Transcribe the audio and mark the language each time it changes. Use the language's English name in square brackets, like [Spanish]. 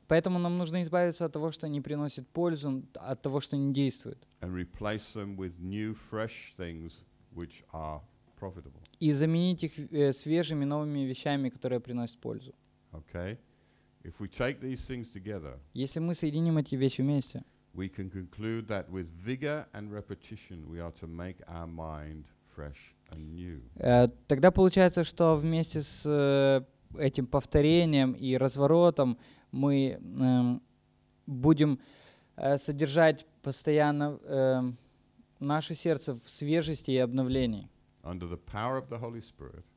[Russian] Поэтому нам нужно избавиться от того, что не приносит пользу, от того, что не действует. [English] And replace them with new, fresh things which are profitable. [Russian] И заменить их свежими новыми вещами, которые приносят пользу. [English] Okay. If we take these things together, [Russian] если мы соединим эти вещи вместе, [English] we can conclude that with vigor and repetition we are to make our mind fresh and new. [Russian] Тогда получается, что вместе с этим повторением и разворотом мы будем содержать постоянно наше сердце в свежести и обновлении. [English] Under the power of the Holy Spirit,